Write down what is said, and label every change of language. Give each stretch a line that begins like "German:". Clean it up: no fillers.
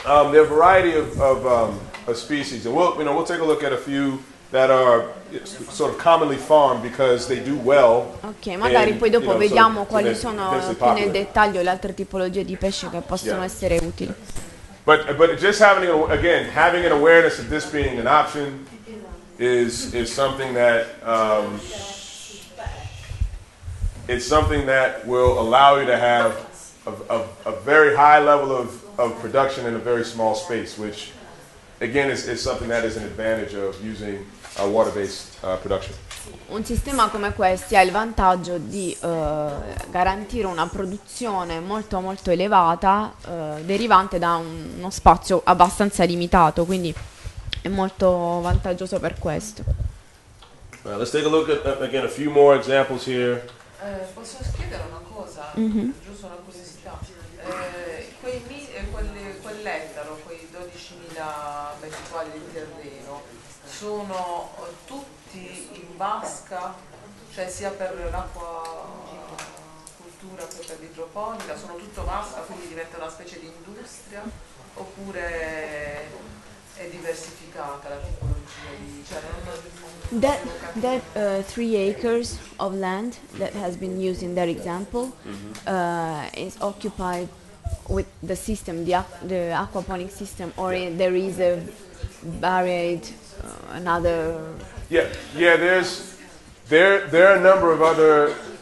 English: There are a variety of species, and we'll take a look at a few that are sort of commonly farmed because they do well.
Italian: Okay, magari poi dopo vediamo quali sono più nel dettaglio le altre tipologie di pesce che possono essere utili.
English: But just having having an awareness of this being an option is something that it's something that will allow you to have a very high level of production in a very small space, which again is something that is an advantage of using a water-based production.
Italian: Un sistema come questo ha il vantaggio di garantire una produzione molto molto elevata derivante da uno spazio abbastanza limitato, quindi è molto vantaggioso per questo.
English: Well, let's take a look at again a few more examples here.
Italian: Posso chiedere una cosa? Mm-hmm. Giusto una curiosità. Quell'ettaro, quei 12.000 metri quadri di terreno, sono tutti in vasca, cioè sia per l'acqua cultura che per l'idroponica, sono tutto vasca, quindi diventa una specie di industria, oppure è diversificata la tipologia di, cioè non ho
English: That 3 acres of land that has been used in that example is occupied with the system, the aquaponic system, or there is a varied another. Yeah. There are a number of other.